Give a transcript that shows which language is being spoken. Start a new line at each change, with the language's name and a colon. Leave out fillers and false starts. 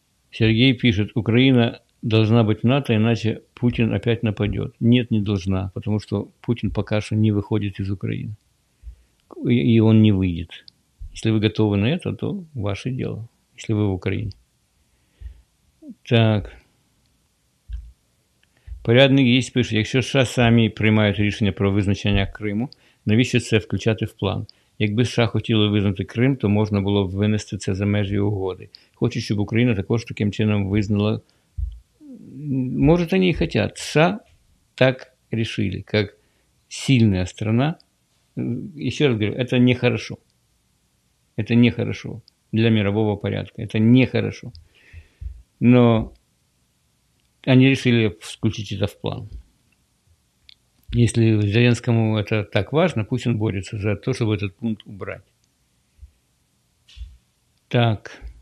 Russian: Сергей пишет, Украина должна быть в НАТО, иначе Путин опять нападет. Нет, не должна, потому что Путин пока что не выходит из Украины. И он не выйдет. Если вы готовы на это, то ваше дело, если вы в Украине. Так.
Ukrainian: Порядный гейст
Russian: пишет,
Ukrainian: якщо США самі приймають рішення про визначення Криму, навіщо це включати в план? Якби США хотіли визнати Крим, то можна було б винести це за межі угоди. Хочу, щоб Україна також таким чином визнала. Може, вони і хочуть. США так рішили, як сильна країна. Ще раз говорю, це не хорошо. Це не хорошо для мирового порядку. Це не хорошо.
Russian: Но они решили включить это в план. Если Зеленскому это так важно, пусть он борется за то, чтобы этот пункт убрать. Так.